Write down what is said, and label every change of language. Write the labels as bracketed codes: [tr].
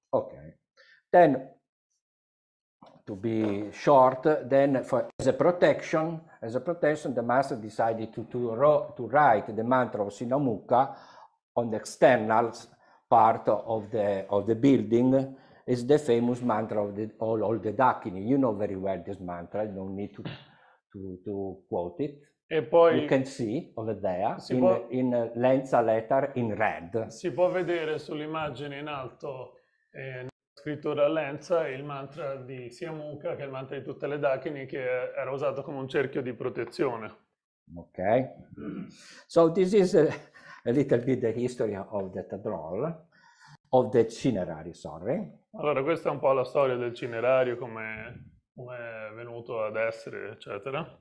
[en] Ok, then to be short, then as a protection the master decided to write the mantra of Sinamukha on the external part of the building. Is the famous mantra of all the Dakini. You know very well this mantra, you don't need to quote it. [it] E poi [en] you can see over there in Lenza letter in red. [it] Si può vedere sull'immagine in alto, scrittura Lenza, il mantra di Siamuka, che è il mantra di tutte le Dakini, che era usato come un cerchio di protezione. [en] Ok. So this is a little bit the history of the tadrol. Of the cinerary, sorry. [it] Allora, questa è un po' la storia del cinerario, come è venuto ad essere, eccetera.